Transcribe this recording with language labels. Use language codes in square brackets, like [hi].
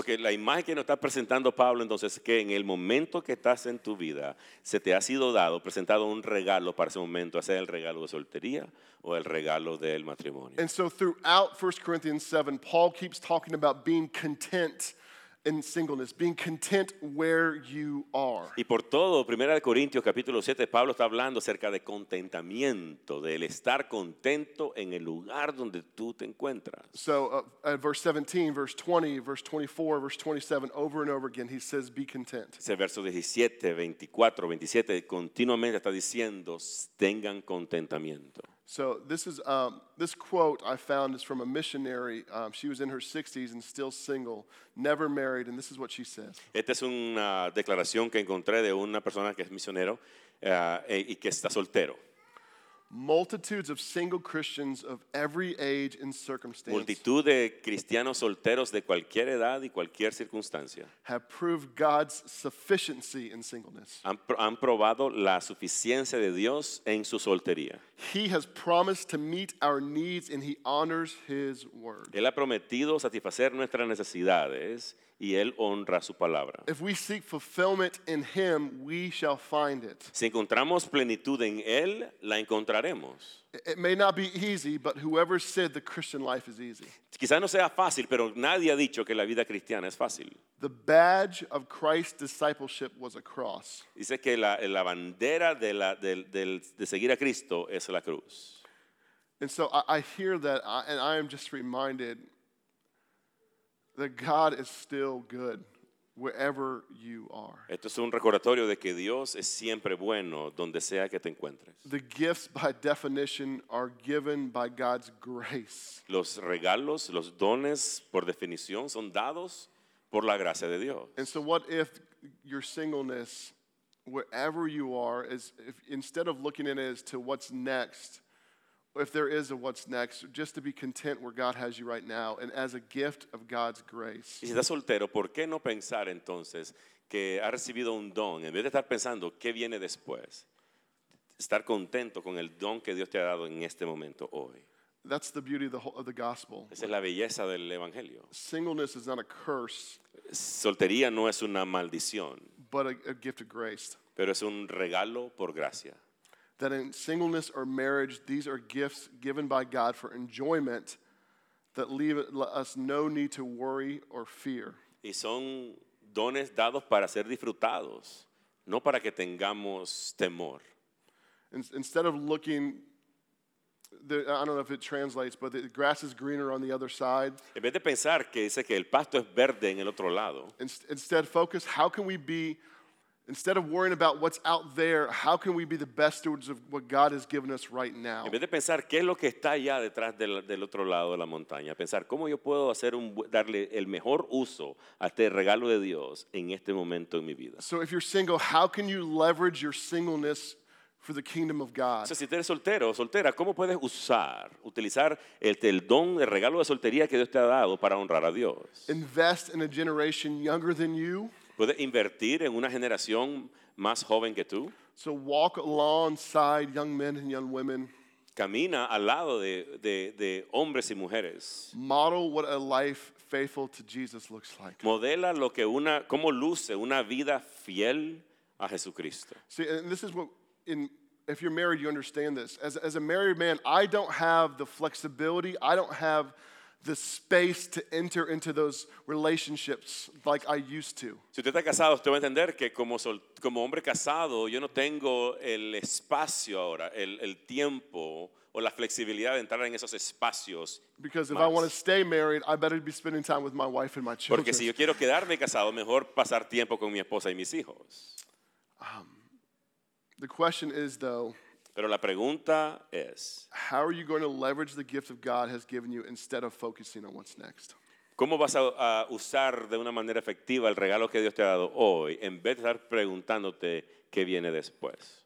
[es] Lo que la imagen que nos está presentando Pablo entonces es que en el momento que estás en tu vida, se te ha sido dado, presentado un regalo para ese momento, sea el regalo de soltería o el regalo del matrimonio. [en] And so throughout 1 Corinthians 7, Paul keeps talking about being content in singleness, being content where you are. [es] Y por todo, 1 Corintios capítulo 7, Pablo está hablando acerca de contentamiento, del estar contento en el lugar donde tú te encuentras. [en] So at verse 17, verse 20, verse 24, verse 27, over and over again, he says, be content. [es] Ese verso 17, 24, 27, continuamente está diciendo, tengan contentamiento. [en] So this is this quote I found is from a missionary. She was in her 60s and still single, never married, and this is what she says. [es] Esta es una declaración que encontré de una persona que es misionero y que está soltero. [en] Multitudes of single Christians of every age and circumstance. [es] Multitud de cristianos solteros de cualquier edad y cualquier circunstancia. [en] Have proved God's sufficiency in singleness. [es] Han probado la suficiencia de Dios en su soltería. [en] He has promised to meet our needs and he honors his word. [es] Él ha prometido satisfacer nuestras necesidades y él honra su palabra. [en] If we seek fulfillment in him, we shall find it. [es] Si encontramos plenitud en él, la encontraremos. [en] It may not be easy, but whoever said the Christian life is easy. [es] Quizás no sea fácil, pero nadie ha dicho que la vida cristiana es fácil. [en] The badge of Christ's discipleship was a cross. [es] Dice que la bandera de seguir a Cristo es la cruz. [en] And so I hear that, and I am just reminded that God is still good wherever you are. [es] Esto es un recordatorio de que Dios es siempre bueno donde sea que te encuentres. [en] The gifts by definition are given by God's grace. [es] Los regalos, los dones por definición son dados por la gracia de Dios. [en] And so what if your singleness wherever you are is, if instead of looking at it as to what's next, if there is a what's next, just to be content where God has you right now and as a gift of God's grace. [es] Y si estás soltero, ¿por qué no pensar entonces que ha recibido un don en vez de estar pensando qué viene después? Estar contento con el don que Dios te ha dado en este momento hoy. [en] That's the beauty of the gospel. [es] Esa es la belleza del evangelio. [en] Singleness is not a curse. [es] Soltería no es una maldición. [en] But a gift of grace. [es] Pero es un regalo por gracia. [en] That in singleness or marriage, these are gifts given by God for enjoyment that leave us no need to worry or fear. [es] Y son dones dados para ser disfrutados, no para que tengamos temor. [en] Instead of looking, I don't know if it translates, but the grass is greener on the other side. [es] En vez de pensar que dice que el pasto es verde en el otro lado. [en] Instead, focus, how can we be, instead of worrying about what's out there, how can we be the best stewards of what God has given us right now? [es] En vez de pensar qué es lo que está allá detrás del otro lado de la montaña, pensar cómo yo puedo hacer darle el mejor uso a este regalo de Dios en este momento en mi vida. [en] So if you're single, how can you leverage your singleness for the kingdom of God? [es] O sea, si eres soltero o soltera, ¿cómo puedes utilizar el don, el regalo de soltería que Dios te ha dado para honrar a Dios? [en] Invest in a generation younger than you. [es] ¿Puede invertir en una generación más joven que tú? [en] So walk alongside young men and young women. [es] Camina al lado de hombres y mujeres. [en] Model what a life faithful to Jesus looks like. [es] Modela cómo luce una vida fiel a Jesucristo. [en] See, and this is what, if you're married, you understand this. As a married man, I don't have the flexibility, I don't have the space to enter into those relationships like I used to. [es] Si usted está casado, usted va a entender que como hombre casado, yo no tengo el espacio ahora, el tiempo o la flexibilidad de entrar en esos espacios. [en] Because [es] más. [en] If I want to stay married, I better be spending time with my wife and my children. [es] Porque si yo quiero quedarme casado, mejor pasar tiempo con mi esposa y mis hijos. [en] The question is though, [es] pero la pregunta es, [en] how are you going to leverage the gift of God has given you instead of focusing on what's next? [es] ¿Cómo vas a usar de una manera efectiva el regalo que Dios te ha dado hoy en vez de estar preguntándote qué viene después?